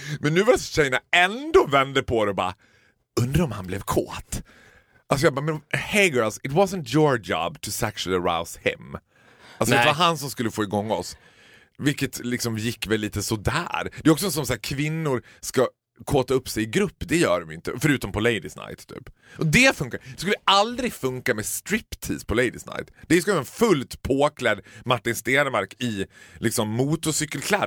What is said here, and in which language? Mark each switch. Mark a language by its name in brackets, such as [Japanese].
[Swedish] Men nu var det så tjejerna ändå vände på det och bara, undrar om han blev kåt. Alltså jag bara, men [English] hey girls, it wasn't your job to sexually arouse him. [Swedish] Alltså det var han som skulle få igång oss. Vilket liksom gick väl lite så där. Det är också som så här, kvinnor ska kåta upp sig i grupp, det gör de inte, förutom på ladies night typ. Och det funkar, det skulle aldrig funka med striptease på ladies night. Det är ju en fullt påklädd Martin Stenmark i liksom motorcykelkläder.